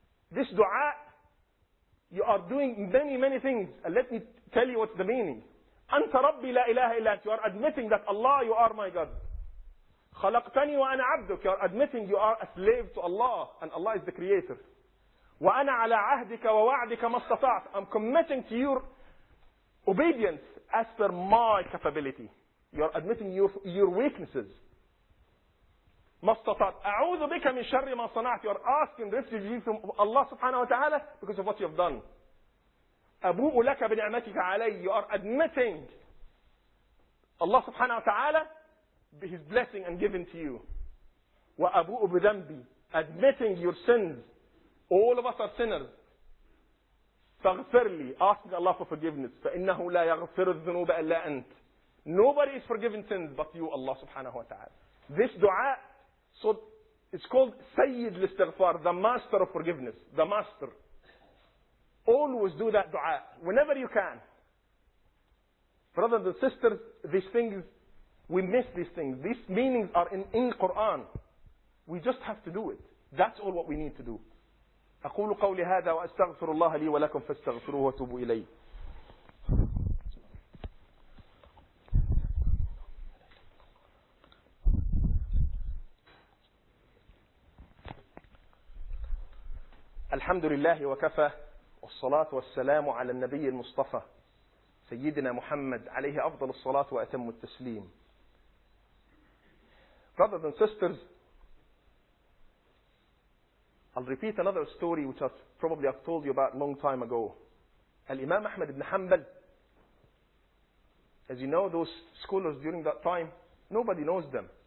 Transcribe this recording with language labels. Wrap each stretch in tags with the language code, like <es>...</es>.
<en>This dua, you are doing many, many things. And let me tell you what's the meaning.</en> <ar>Anta rabbi la ilaha illa ant.</ar> <en>You are admitting that Allah, you are my God.</en> <ar>خلقتني وأنا عبدك.</ar> <en>You are admitting you are a slave to Allah and Allah is the creator.</en> <ar>وأنا على عهدك ووعدك ما استطعت.</ar> <en>I'm committing to your obedience as per my capability. You are admitting your weaknesses.</en> <ar>ما استطعت. أعوذ بك من شر ما صنعت.</ar> <en>You are asking refuge from Allah subhanahu wa ta'ala because of what you have done.</en> <ar>أبوء لك بنعمتك علي.</ar> <en>You are admitting Allah subhanahu wa ta'ala his blessing and given to you.</en> <ar>وَأَبُوءُ بِذَنْبِي.</ar> <en>admitting your sins. All of us are sinners.</en> <ar>فاغفر لي.</ar> <en>Ask Allah for forgiveness.</en> <ar>فإنه لا يغفر الذنوب إلا أنت.</ar> <en>Nobody is forgiven sins but you, Allah subhanahu wa ta'ala. This dua, so it's called Sayyid al-Istighfar, the master of forgiveness. The master. Always do that dua, whenever you can. Brothers and sisters, these things, we miss these things. These meanings are in Quran. We just have to do it. That's all what we need to do.</en> <ar>أقول قولي هذا وأستغفر الله لي ولكم فاستغفروه وتوبوا إليه. الحمد لله وكفى والصلاة والسلام على النبي المصطفى سيدنا محمد عليه أفضل الصلاة وأتم التسليم.</ar> <en>Brothers and sisters, I'll repeat another story which probably I've told you about a long time ago. Al-Imam Ahmad ibn Hanbal, as you know, those scholars during that time, nobody knows them.</en>